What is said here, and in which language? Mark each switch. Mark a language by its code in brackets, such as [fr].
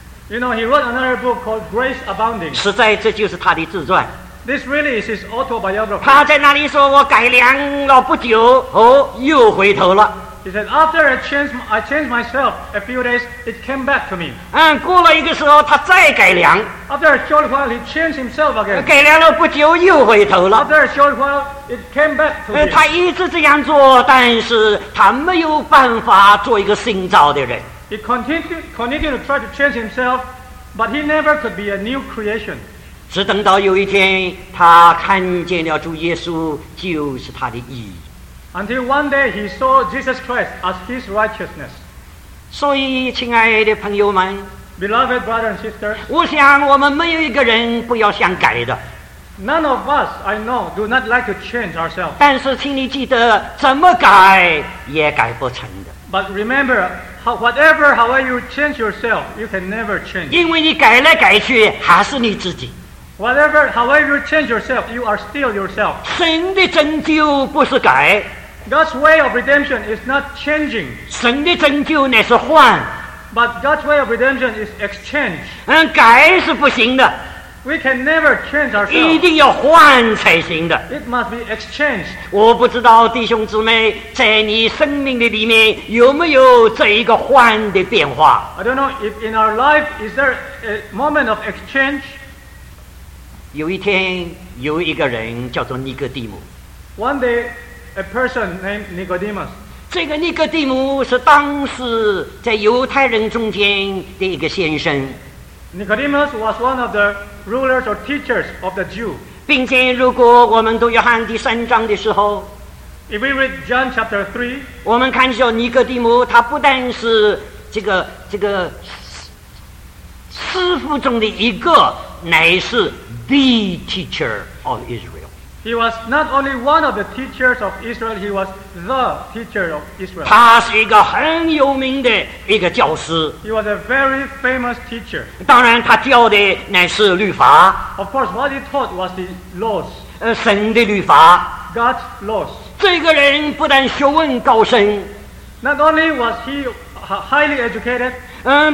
[en] You know, he wrote another book called Grace Abounding. [zh] 实在，这就是他的自传。 [en] This really is his autobiography. [zh] 他在那里说，我改良了不久，又回头了。 [en] He said, after I changed myself a few days, it came back to me. [zh] 过了一个时候，他再改良。 [en] After a short while, he changed himself again. [zh] 改良了不久，又回头了。 [en] After a short while, it came back to him. [zh] 他一直这样做，但是他没有办法做一个新造的人。 [en] He continued to try to change himself, but he never could be a new creation. [zh] 只等到有一天，他看见了主耶稣就是他的义。 [en] Until one day he saw Jesus Christ as his righteousness. [zh] 所以，亲爱的朋友们， [en] Beloved brothers and sisters, [zh] 我想我们没有一个人不要想改的。 [en] None of us, I know, do not like to change ourselves. [zh] 但是，请你记得，怎么改也改不成的。 [en] But remember, whatever, however you change yourself, you can never change. [zh] 因为你改来改去还是你自己。 [en] Whatever, however you change yourself, you are still yourself. [zh] 神的拯救不是改。 [en] God's way of redemption is not changing. [zh] 神的拯救乃是换。 [en] But God's way of redemption is exchange. [zh] 改是不行的。 [en] We can never change ourselves. [zh] 一定要换才行的。 [en] It must be exchanged. [zh] 我不知道弟兄姊妹，在你生命的里面有没有这一个换的变化。 [en] I don't know if in our life is there a moment of exchange. [zh] 有一天，有一个人叫做尼哥底母。 [en] One day, a person named Nicodemus. [zh] 这个尼哥底母是当时在犹太人中间的一个先生。 [en] Nicodemus was one of the rulers or teachers of the Jew. [zh] 并且，如果我们读约翰第三章的时候 [en] ，If we read John chapter 3, [zh] 我们看见尼哥底母，他不但是这个师傅中的一个，乃是。 [en] The teacher of Israel. He was not only one of the teachers of Israel. He was the teacher of Israel. [zh] 他是一个很有名的一个教师。 [en] He was a very famous teacher. [zh] 当然，他教的乃是律法。 [en] Of course, what he taught was the laws. [zh] 神的律法。 [en] God's laws. [zh] 这个人不但学问高深。 [en] Not only was he highly educated.